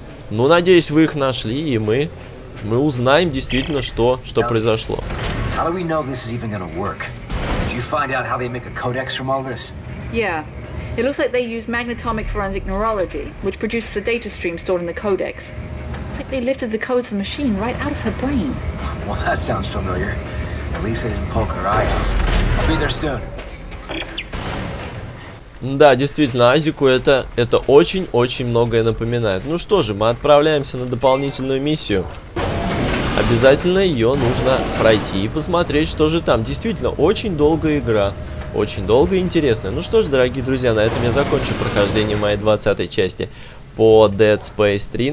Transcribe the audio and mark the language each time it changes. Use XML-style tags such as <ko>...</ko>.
<ru>Ну, надеюсь, вы их нашли, и мы узнаем действительно, что произошло. Как мы знаем, что это будет работать? Вы узнаете, как они делают кодекс из всего этого? Да. Это выглядит, как они используют</ru> <en>магнитомик форензик нейрологи,</en> <ru>который производит дата-стрим, встроенный в кодекс.</ru> <en>Like they lifted the codes of the machine right out of her brain. Well, that sounds familiar. At least they didn't poke her eye. I'll be there soon.</en> <ru>Да, действительно, Айзеку это очень-очень многое напоминает. Ну что же, мы отправляемся на дополнительную миссию. Обязательно ее нужно пройти и посмотреть, что же там. Действительно, очень долгая игра. Очень долгая и интересная. Ну что ж, дорогие друзья, на этом я закончу прохождение моей 20-й части по Dead Space 3.</ru>